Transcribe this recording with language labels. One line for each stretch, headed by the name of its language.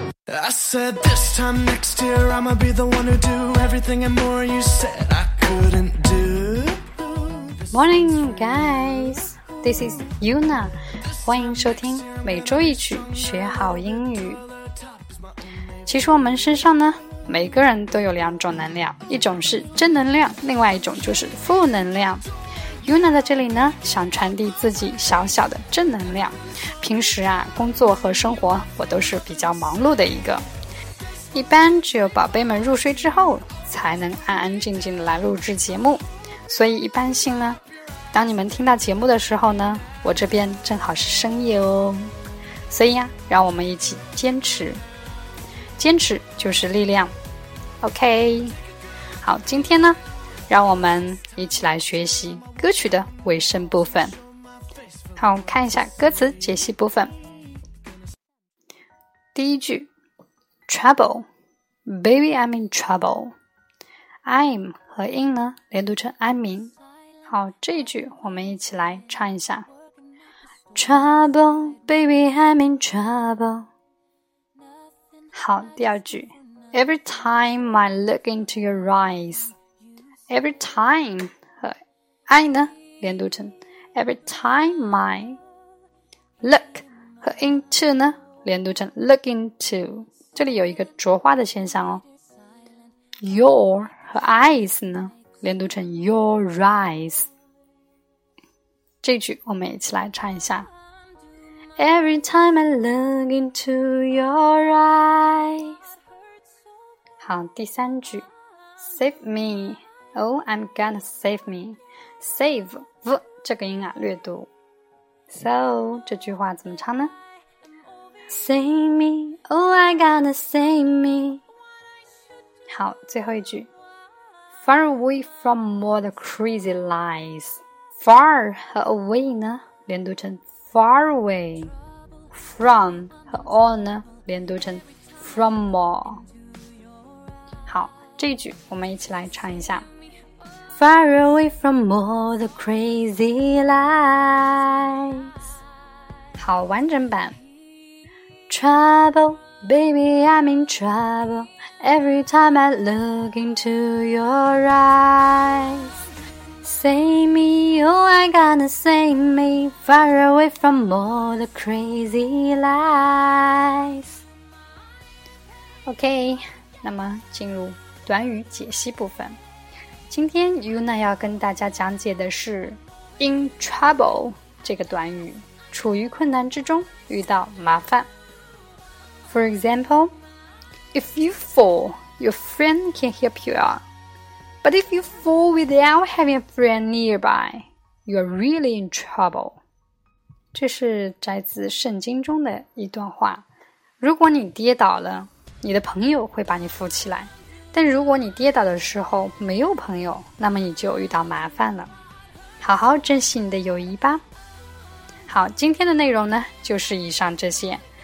English: I said this time next year I'ma be the one who do everything and more you said I couldn't do. Morning guys, this is
Chinese: Yuna, 欢迎收听每周一曲学好英语。其实我们身上呢，每个人都有两种能量，一种是正能量，另外一种就是负能量。 Yuna 在这里呢，想传递自己小小的正能量。平时啊，工作和生活我都是比较忙碌的一个，一般只有宝贝们入睡之后，才能安安静静的来录制节目。所以一般性呢，当你们听到节目的时候呢，我这边正好是深夜哦。所以呀，让我们一起坚持，坚持就是力量。 OK， 好，今天呢，让我们一起来学习歌曲的尾声部分。好，看一下歌词解析部分。第一句 ，
English: Trouble， baby I'm in trouble，
Chinese: I'm 和 in 呢连读成安明。好，这一句我们一起来唱一下 ，
English: Trouble， baby I'm in trouble。
Chinese: 好，第二句
English: ，Every time I look into your eyes。
Chinese: Every time 和 I 呢连读成
English: Every time I look
Chinese: 和 into 呢连读成
English: look into，
Chinese: 这里有一个浊化的现象哦。 Your 和 eyes 呢连读成
English: your eyes，
Chinese: 这句我们一起来唱一下。
English: Every time I look into your eyes。
Chinese: 好，第三句
English: Save meOh, I'm gonna save me.
Chinese: Save, v, 这个音啊略读。 So, 这句话怎么唱呢？
English: Save me, oh, I'm gonna save me.
Chinese: 好，最后一句。
English: Far away from all the crazy lies. Far 和 away
Chinese: 呢，连读成
English: far away. From 和 all
Chinese: 呢，连读成
English: from all.
Chinese: 好，这句我们一起来唱一下。
English: Far away from all the crazy lies.
Chinese: 好，完整版。
English: Trouble, baby, I'm in trouble. Every time I look into your eyes. Save me, oh, I'm gonna save me. Far away from all the crazy lies.
Chinese: OK, 那么进入短语解析部分。今天 Yuna 要跟大家讲解的是 in trouble 这个短语，处于困难之中，遇到麻烦。
English: For example, if you fall, your friend can help you out. But if you fall without having a friend nearby, you are really in trouble.
Chinese: 这是摘自圣经中的一段话。如果你跌倒了，你的朋友会把你扶起来。但如果你跌倒的时候没有朋友，那么你就遇到麻烦了。好好珍惜你的友谊吧。好，今天的内容呢，就是以上这些。